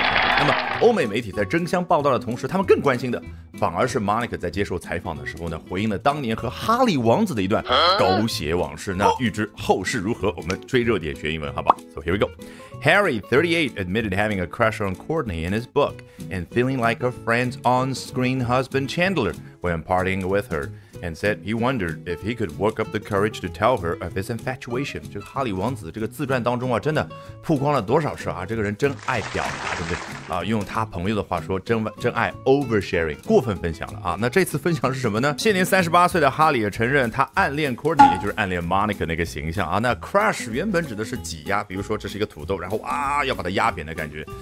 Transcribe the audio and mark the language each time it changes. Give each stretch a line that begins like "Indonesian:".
Chinese: 那么欧美媒体在争相报道的同时，他们更关心的反而是 Monica 在接受采访的时候呢，回应了当年和哈利王子的一段狗血往事。那预知后事如何，我们追热点学英文，好吧。
English: So here we go. Harry, 38, admitted having a crush on Courtney in his book and feeling like a friend's on-screen husband Chandler when partying with herAnd said he wondered if he could work up the courage to tell her of his infatuation.
Chinese: 这个哈利王子这个自传当中啊，真的曝光了多少事啊？这个人真爱表达，对不对？啊，用他朋友的话说，真爱 oversharing， 过分分享了啊。那这次分享是什么呢？现年38岁的哈利也承认他暗恋 Courtney， 也就是暗恋 Monica 那个形象啊。那 crush 原本指的是挤压，比如说这是一个土豆，然后啊要把它压扁的感觉。